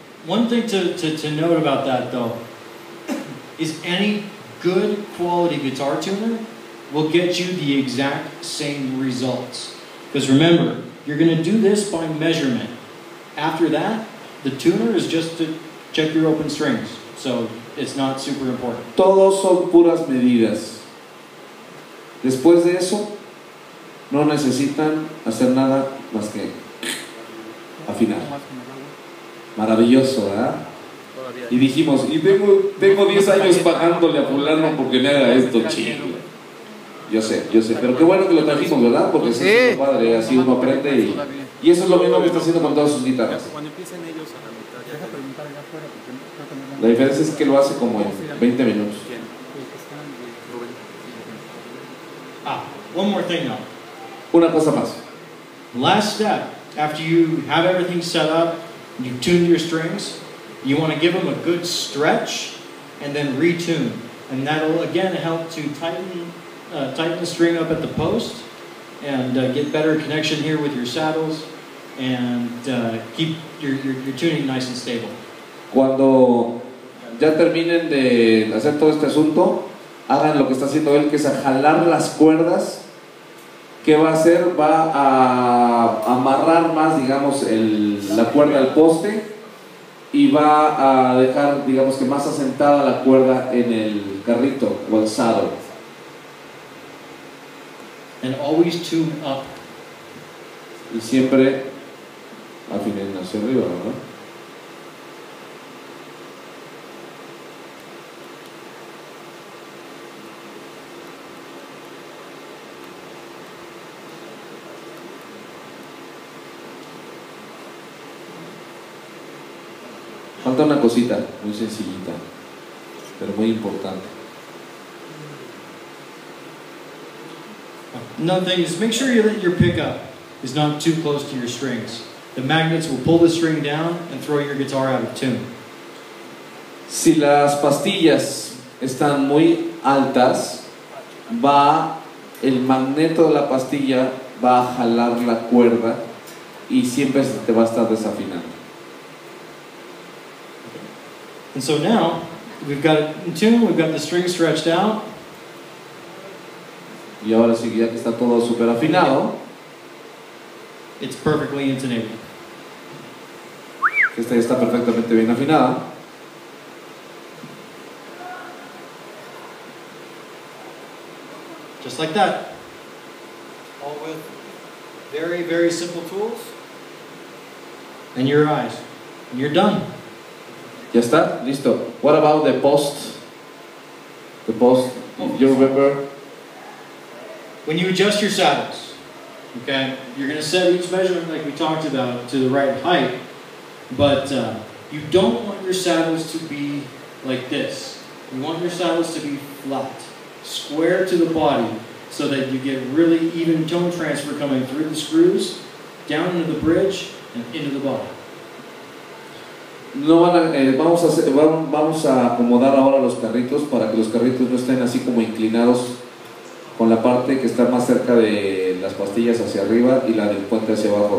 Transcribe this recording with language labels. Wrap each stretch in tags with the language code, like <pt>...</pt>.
<en>One thing to note about that, though, is any good quality guitar tuner will get you the exact same results. Because remember, you're going to do this by measurement. After that, the tuner is just to check your open strings. So it's not super important.</en> <es>Todos son puras medidas. Después de eso, no necesitan hacer nada más que... afinar. Maravilloso, ¿verdad? Y dijimos, y tengo 10 años pagándole a fulano porque me haga esto, chido. Yo sé, pero qué bueno que lo trajimos, ¿verdad? Porque sí, es un padre, así uno aprende y eso es lo mismo que está haciendo con todas sus guitarras. Cuando empiecen ellos a la mitad, ya preguntar allá afuera, porque no creo que me la diferencia es que lo hace como en 20 minutos.</es> <en>Ah, one more thing now.</en> <es>Una cosa más.</es> <en>Last step, after you have everything set up, you tune your strings, you want to give them a good stretch and then retune. And that'll again help to tighten the string up at the post and get better connection here with your saddles and keep your tuning nice and stable.</en> <es>Cuando ya terminen de hacer todo este asunto, hagan lo que está haciendo él, que es a jalar las cuerdas. ¿Qué va a hacer? Va a amarrar más, digamos, la cuerda al poste y va a dejar, digamos, que más asentada la cuerda en el carrito o el saddle.</es> <en>And always tune up.</en> <es>Y siempre afinen hacia arriba, ¿no? Falta una cosita, muy sencillita, pero muy importante.</es> <en>Another thing is make sure that your pickup is not too close to your strings. The magnets will pull the string down and throw your guitar out of tune.</en> <es>Si las pastillas están muy altas, va el magneto de la pastilla va a jalar la cuerda y siempre te va a estar desafinando.</es> <en>And so now we've got it in tune, we've got the string stretched out.</en> <es>Y ahora sí, ya que está todo super afinado,</es> <en>it's perfectly intonated.</en> <es>Esta ya está perfectamente bien afinada.</es> <en>Just like that. All with very, very simple tools. And your eyes. And you're done.</en> <es>Ya está, listo.</es> <en>What about the post? The post, oh, you remember? When you adjust your saddles, okay, you're going to set each measurement like we talked about to the right height, but you don't want your saddles to be like this. You want your saddles to be flat, square to the body, so that you get really even tone transfer coming through the screws, down into the bridge, and into the body.</en> <es>No van a, vamos a acomodar ahora los carritos para que los carritos no estén así como inclinados con la parte que está más cerca de las pastillas hacia arriba y la del puente hacia abajo.</es>